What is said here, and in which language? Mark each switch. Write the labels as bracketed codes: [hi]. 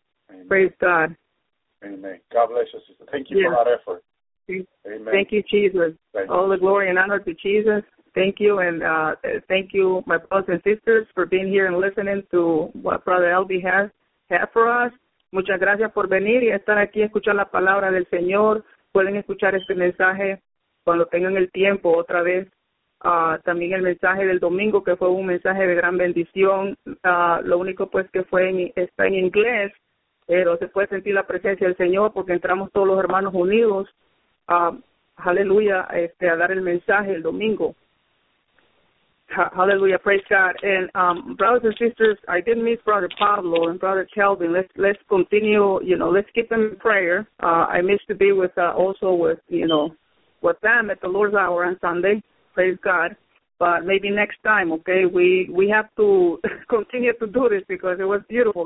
[en] Amen. Praise God. Amen. God bless you, sister. Thank you yes. for that effort. Amen. Thank you, Jesus. Thank All you. The glory and honor to Jesus. Thank you. And thank you, my brothers and sisters, for being here and listening to what Brother Elby has had for us. [es] Muchas gracias por venir y estar aquí a escuchar la palabra del Señor. Pueden escuchar este mensaje cuando tengan el tiempo otra vez. También el mensaje del domingo, que fue un mensaje de gran bendición. Lo único pues que fue está en inglés, pero se puede sentir la presencia del Señor porque entramos todos los hermanos unidos, aleluya, a dar el mensaje el domingo. [en] Hallelujah, praise God. And brothers and sisters, I did miss Brother Pablo and Brother Kelvin. Let's continue, you know, let's keep them in prayer. I missed to be with also with, you know, with them at the Lord's Hour on Sunday. Praise God, but maybe next time, okay, we have to continue to do this because it was beautiful.